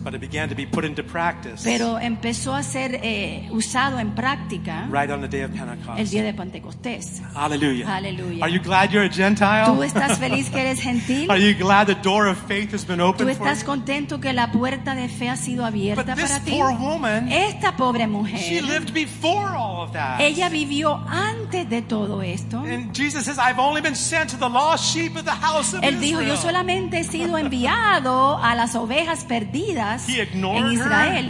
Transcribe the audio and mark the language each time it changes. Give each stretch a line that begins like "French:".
English: But it began to be put into practice.
Spanish: Pero empezó a ser usado en práctica.
English: Right on the day of Pentecost.
Spanish: El día de Pentecostés.
English: Hallelujah. Hallelujah. Are you glad you're a Gentile?
Spanish: ¿Tú estás feliz que eres gentil?
English: Are you glad the door of faith has been opened?
Spanish: ¿Tú estás contento que la puerta de fe ha sido abierta para ti?
English: But this poor woman,
Spanish: esta pobre mujer,
English: she lived before all of that.
Spanish: Ella vivió antes de todo esto.
English: And Jesus says, I've only been sent to the lost sheep of the house of Israel.
Spanish: Él dijo, yo solamente he sido enviado a las ovejas perdidas en Israel.